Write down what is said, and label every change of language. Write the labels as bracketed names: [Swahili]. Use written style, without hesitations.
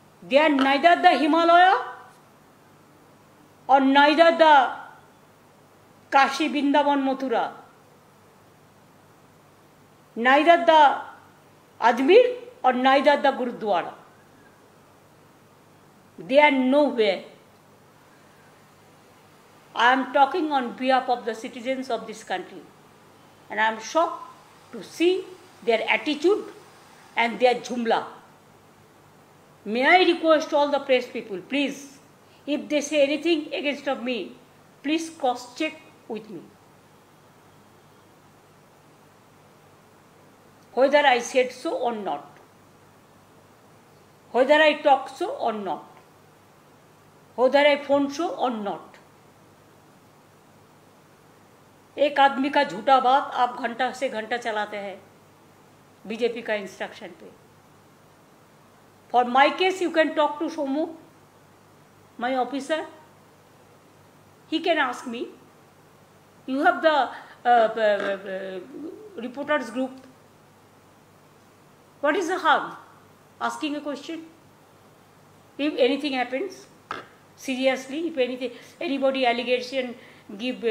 [English] They are neither the Himalaya और neither the Kashi Vrindavan Mathura, neither the Ajmer और neither the gurdwara, they are no way. I am talking on behalf of the citizens of this country and I am shocked to see their attitude and their jhumla. May I request all the press people, please, if they say anything against of me, please cross check with me. Whether I said so or not, whether I talk so or not, whether I phone so or not, [Hindi] एक आदमी का झूठा बात आप घंटा से घंटा चलाते हैं बीजेपी का इंस्ट्रक्शन पे। [English] for my case you can talk to Somu my officer, he can ask me, you have the reporters group, what is the harm asking a question if anything happens seriously, if anything anybody allegation give